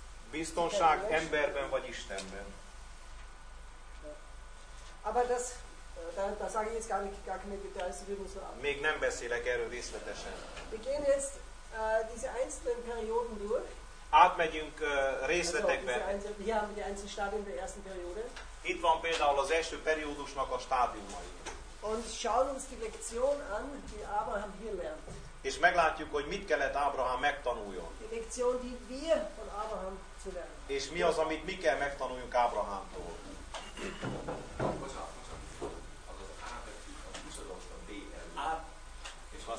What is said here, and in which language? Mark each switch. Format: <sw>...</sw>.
<hu>Biztonság emberben vagy Istenben.</hu> <de>Aber das da sage ich jetzt gar keine Details, wir müssen ab.</de> <hu>Még nem beszélek erről részletesen.</hu> <de>Wir gehen jetzt diese einzelnen Perioden durch.</de> <hu>Átmegyünk részletekbe.</hu> <de>Hier haben wir die einzelnen Stadien der ersten Periode.</de> <hu>Itt van például az első periódusnak a stádiumai.</hu> <de>Und schauen uns die Lektion an, die Abraham hier lernt.</de> <hu>És meglátjuk, hogy mit kellett Ábrahám megtanuljon.</hu> <de>Die Lektion, die wir von Abraham zu lernen.</de> <hu>És mi az, amit mi kell megtanuljunk Ábrahámtól. Bocsánat, az A betű, a 20-as, a B előtt. És ha</hu>